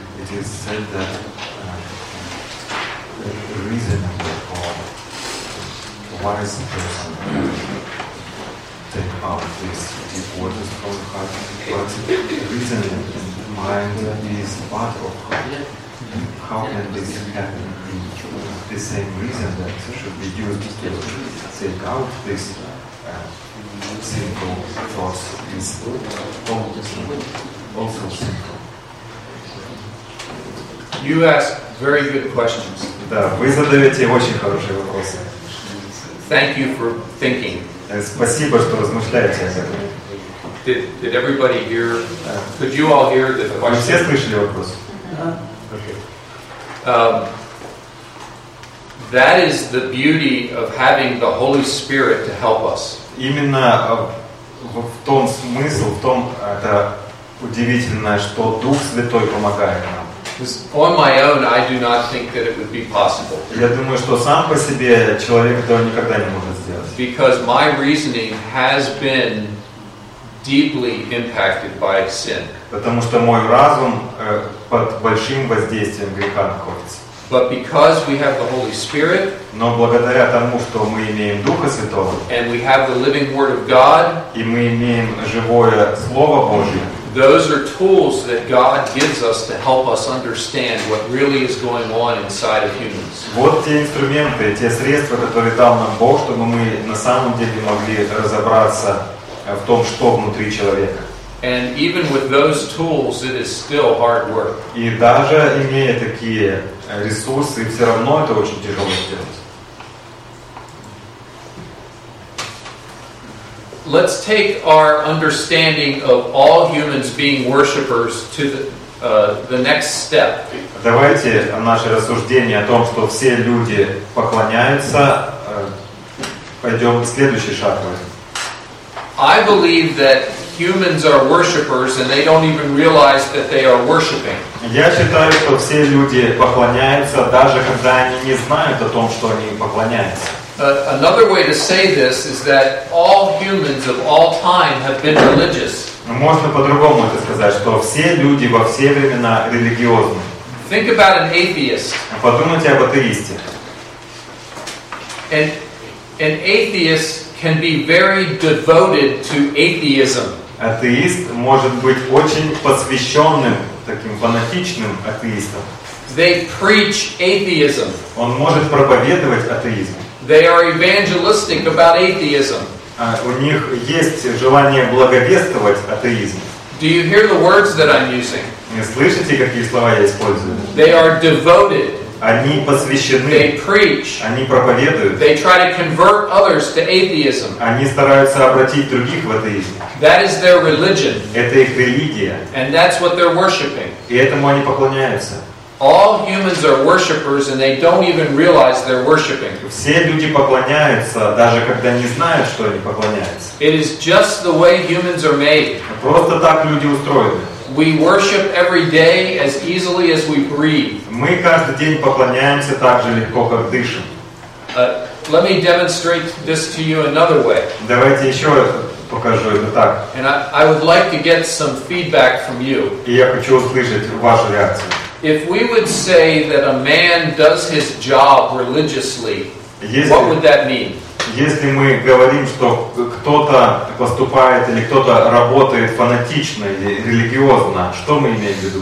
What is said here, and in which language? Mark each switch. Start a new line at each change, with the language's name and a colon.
English: It is said that a reasonable or wise person take out these deep waters from the heart, but reasoning mind is part of heart. How can this happen in the same reason that should be used to take out this simple thoughts is also simple? You ask very good questions.
Russian: Да, вы задаете очень хорошие вопросы.
English: Thank you for thinking.
Russian: Спасибо, что размышляете об этом.
English: Did everybody hear, could you all hear the question?
Russian: Вы все слышали вопрос?
English: That is the beauty of having the Holy Spirit to help us.
Russian: Именно в том смысл, в том это удивительное, что Дух Святой помогает нам.
English: On my own, I do not think that it would be possible.
Russian: Я думаю, что сам по себе человек этого никогда не может сделать.
English: Because my reasoning has been deeply impacted by sin.
Russian: Потому что мой разум под большим воздействием греха находится.
English: But because we have the Holy Spirit,
Russian: но благодаря тому, что мы имеем Духа Святого,
English: and we have the living Word of God,
Russian: и мы имеем живое Слово Божие,
English: those are tools that God gives us to help us understand what really is going on inside of humans.
Russian: Вот те инструменты, те средства, которые дал нам Бог, чтобы мы на самом деле могли разобраться в том, что внутри человека.
English: And even with those tools, it is still hard work.
Russian: И даже имея такие ресурсы, все равно это очень тяжело сделать.
English: Let's take our understanding of all humans being worshippers to the next step.
Russian: Давайте наше рассуждение о том, что все люди поклоняются, пойдем в следующий шаг.
English: I believe that humans are worshippers, and they don't even realize that they are worshiping.
Russian: Я считаю, что все люди поклоняются, даже когда они не знают о том, что они поклоняются.
English: Another way to say this is that all humans of all time have been religious.
Russian: Можно по-другому это сказать, что все люди во все времена религиозны.
English: Think about an atheist.
Russian: Подумайте об атеисте.
English: An atheist can be very devoted to atheism.
Russian: Атеист может быть очень посвященным, таким фанатичным атеистом.
English: They preach atheism.
Russian: Он может проповедовать атеизм.
English: They are evangelistic about atheism.
Russian: У них есть желание благовествовать атеизм.
English: Do you hear the words that I'm using?
Russian: Не слышите, какие слова я использую?
English: They are devoted.
Russian: Они посвящены.
English: They preach.
Russian: Они проповедуют.
English: They try to convert others to atheism.
Russian: Они стараются обратить других в атеизм.
English: That is their religion.
Russian: Это их религия.
English: And that's what they're worshiping.
Russian: И этому они поклоняются.
English: All humans are worshippers, and they don't even realize they're worshiping.
Russian: Все люди поклоняются, даже когда не знают, что они поклоняются.
English: It is just the way humans are made.
Russian: Просто так люди устроены.
English: We worship every day as easily as we breathe.
Russian: Мы каждый день поклоняемся так же легко, как дышим.
English: Let me demonstrate this to you another way.
Russian: Давайте еще раз покажу это так.
English: And I would like to get some feedback from you.
Russian: И я хочу услышать вашу реакцию.
English: If we would say that a man does his job religiously,
Russian: если,
English: what would that mean?
Russian: Если мы говорим, что кто-то поступает или кто-то работает фанатично или религиозно, что мы имеем в виду?